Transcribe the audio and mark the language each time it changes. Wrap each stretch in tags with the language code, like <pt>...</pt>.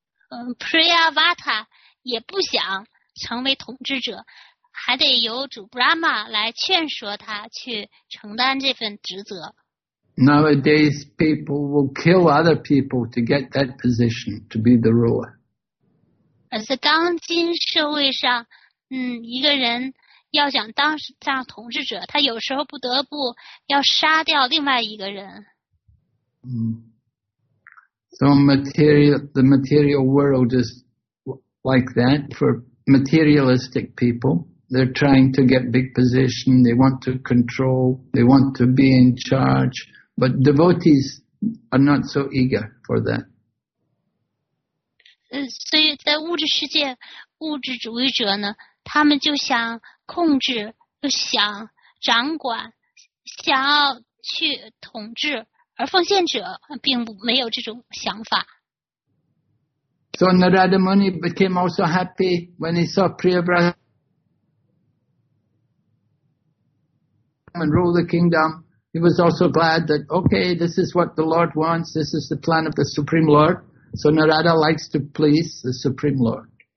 <zh>Priyavrata 也不想成为统治者，还得由主 Brahma 来劝说他去承担这份职责。</zh> <en>Nowadays, people will kill other people to get that position to be the ruler.</en> <zh>而在当今社会上，一个人要想当上统治者，他有时候不得不要杀掉另外一个人。</zh> <en>So the material world is like that for materialistic people. They're trying to get big position. They want to control. They want to be in charge. But devotees are not so eager for that.</en> <zh>所以在物质世界，物质主义者呢，他们就想控制，就想掌管，想要去统治。而奉献者并没有这种想法。</zh> <en>So Narada Muni became also happy when he saw Priyavrata come and rule the kingdom. He was also glad that, okay, this is what the Lord wants. This is the plan of the Supreme Lord. So Narada likes to please the Supreme Lord.</en>